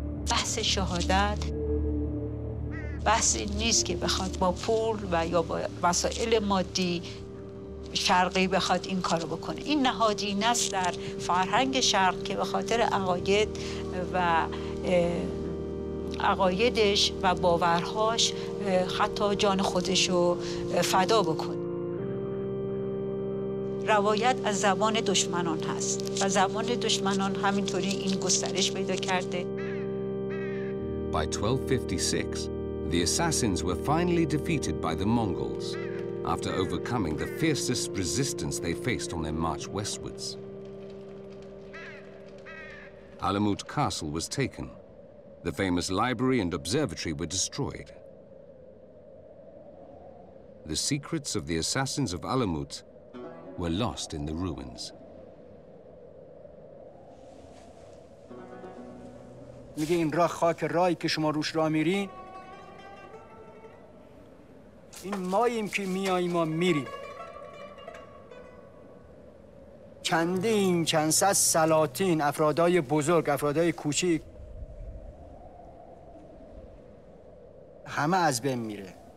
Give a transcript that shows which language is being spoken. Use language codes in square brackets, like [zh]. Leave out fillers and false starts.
[fa] بحث شهادت بحثی نیست که بخواد با پول و یا با وسایل مادی شرقی بخواد این کارو بکنه این نهادی نست در فرهنگ شرق که به خاطر عقاید و عقایدش و باورهاش حتی جان خودشو فدا بکنه روایت از زبان دشمنان هست و زبان دشمنان همینطوری این گسترش پیدا کرده [en] By 1256, the assassins were finally defeated by the Mongols after overcoming the fiercest resistance they faced on their march westwards. Alamut Castle was taken. The famous library and observatory were destroyed. The secrets of the assassins of Alamut were lost in the ruins. [fa] میگه این راه خاک رایی که شما روش راه میرین این ماییم که میاییم و میریم چندین چند صد سلاطین افرادای بزرگ افرادای کوچیک همه از بین میره